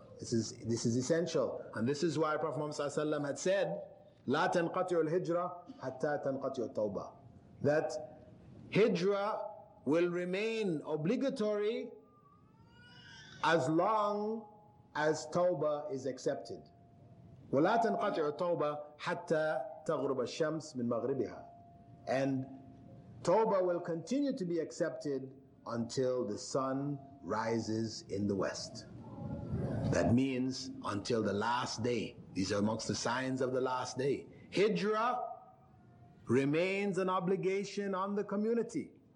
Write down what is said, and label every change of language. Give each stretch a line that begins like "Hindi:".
English: This is essential. And this is why Prophet Muhammad Sallallahu Alaihi Wasallam had said,
Arabic: لا تنقطع الهجرة حتى تنقطع التوبة.
English: That hijra will remain obligatory as long as tawbah is accepted.
Arabic: ولا تنقطع التوبة حتى تغرب الشمس من مغربها.
English: And tawbah will continue to be accepted until the sun rises in the west. That means until the last day. These are amongst the signs of the last day. Hijra remains an obligation on the community.